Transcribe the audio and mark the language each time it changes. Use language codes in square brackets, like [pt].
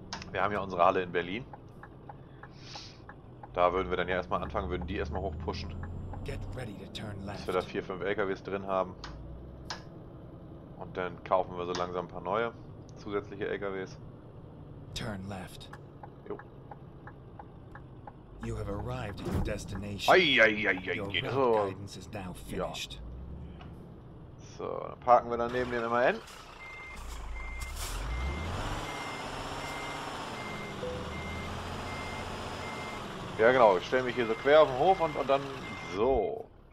[de] Wir haben ja unsere Halle in Berlin. Da würden wir dann ja erstmal anfangen, würden die erstmal hochpushen. Dass wir da 4-5 LKWs drin haben. Und dann kaufen wir so langsam ein paar neue zusätzliche LKWs. [en] Turn left. [de] Jo. [en] You have arrived at your destination. [de] Eieieiei, genau. Ja. So, dann parken wir dann neben den MAN. Ja genau, ich stelle mich hier so quer auf den Hof und dann so.